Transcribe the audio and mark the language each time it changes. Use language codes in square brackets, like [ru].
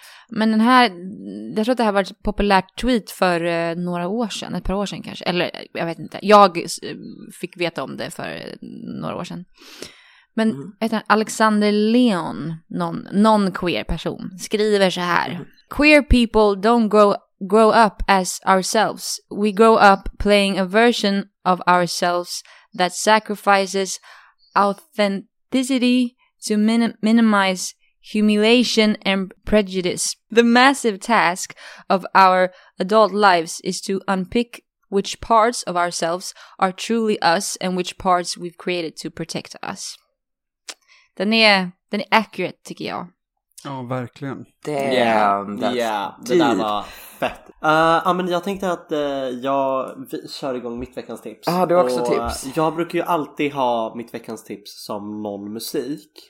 [sv] Men den här, jag tror att det här var ett populärt tweet för några år sedan, ett par år sedan kanske. Eller jag vet inte, jag fick veta om det för några år sedan. Men Alexander Leon, någon queer person, skriver så här. [en] Queer people don't grow up as ourselves. We grow up playing a version of ourselves that sacrifices authenticity to minimize humiliation and prejudice. The massive task of our adult lives is to unpick which parts of ourselves are truly us and which parts we've created to protect us. [sv] Den är accurate, tycker jag. Ja, verkligen. [en] Damn, [sv] det där var fett. Men jag tänkte att jag kör igång mitt veckans tips. Ja, du har också tips. Jag brukar ju alltid ha mitt veckans tips som någon musik.